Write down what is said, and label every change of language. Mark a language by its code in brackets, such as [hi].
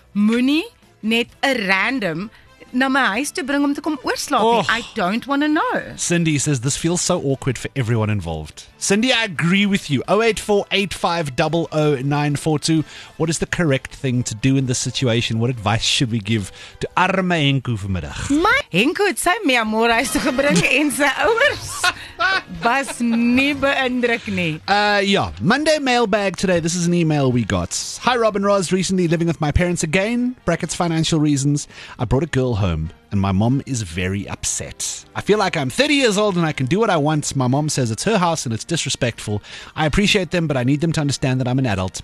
[af] Moenie net 'n random... Na my huis toe bring om te kom oorslaap. Oh. [en] I don't want to know. Cindy says, this feels so awkward for everyone involved. Cindy, I agree with you. 0848500942. What is the correct thing to do in this situation? What advice should we give to arme Henku vanmiddag? [af] My Henku het sy mee amor huis toe gebring en sy ouers was nie beindruk nie. [en] Monday mailbag today. This is an email we got. Hi, Robin Ross. Recently living with my parents again. Brackets financial reasons. I brought a girl home and my mom is very upset. I feel like I'm 30 years old and I can do what I want. My mom says it's her house and it's disrespectful. I appreciate them, but I need them to understand that I'm an adult.